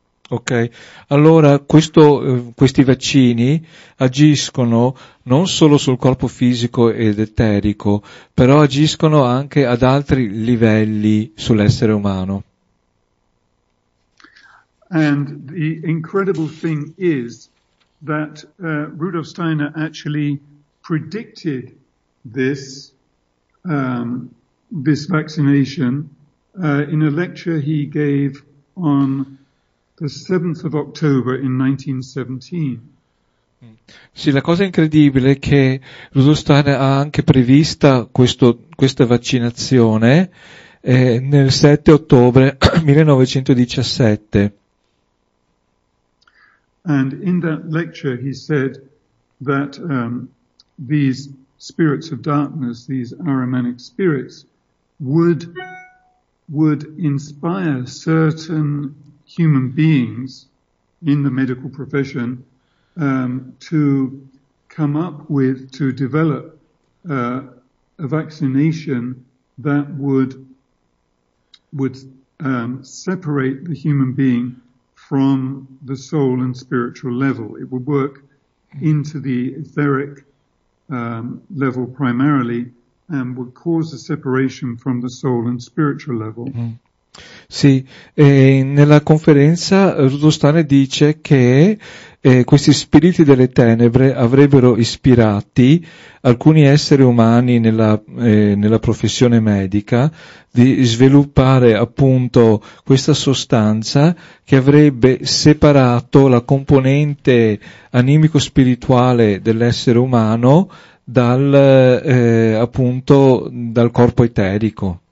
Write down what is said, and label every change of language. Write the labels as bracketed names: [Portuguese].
[Italian] Ok, allora questi vaccini agiscono non solo sul corpo fisico ed eterico, però agiscono anche ad altri livelli sull'essere umano. [English] And the incredible thing is that Rudolf Steiner actually predicted this this vaccination in a lecture he gave on the 7th of October in 1917. [Italian] Sì, la cosa incredibile è che Rudolf Steiner ha anche prevista questa vaccinazione nel 7 ottobre 1917. [English] And in that lecture he said that these spirits of darkness, these Ahrimanic spirits, would inspire certain human beings in the medical profession to come up with, to develop a vaccination that would separate the human being from the soul and spiritual level. It would work into the etheric level primarily, and would cause a separation from the soul and spiritual level. Mm-hmm. [Italian] Sì, nella conferenza Rudolf Steiner dice che questi spiriti delle tenebre avrebbero ispirati alcuni esseri umani nella professione medica di sviluppare appunto questa sostanza che avrebbe separato la componente animico-spirituale dell'essere umano dal corpo eterico.